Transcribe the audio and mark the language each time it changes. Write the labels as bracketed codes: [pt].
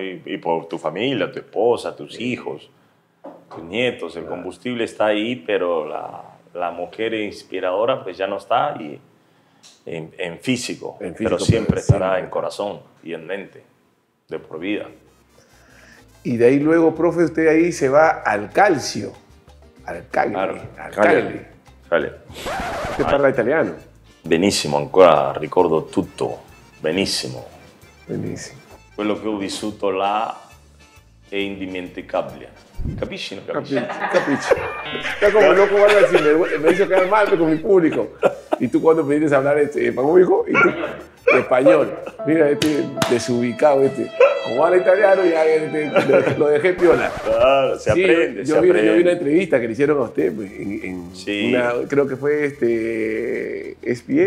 [es] Y por tu familia, tu esposa, tus hijos. Tus nietos, el combustible está ahí, pero la mujer inspiradora pues ya no está y en físico, pero siempre estará en corazón y en mente, de por vida. Y de ahí luego, profe, usted ahí se va al Calcio, al Cagliari. Sale. ¿Usted [it] parla [es] italiano? Benísimo, [it] ancora ricordo tutto, benísimo. [es] Benísimo. [it] Quello che ho vissuto là è indimenticabile. Capisci, no capisci? Capisci. [es] Está como loco, algo así. Me hizo quedar mal con mi público. Y tú, cuando me vienes a hablar, ¿cómo dijo? Español. Mira, este desubicado, este. Como habla italiano, ya lo dejé piola. Claro, Yo vi una entrevista que le hicieron a usted, pues, en una, creo que fue ESPN.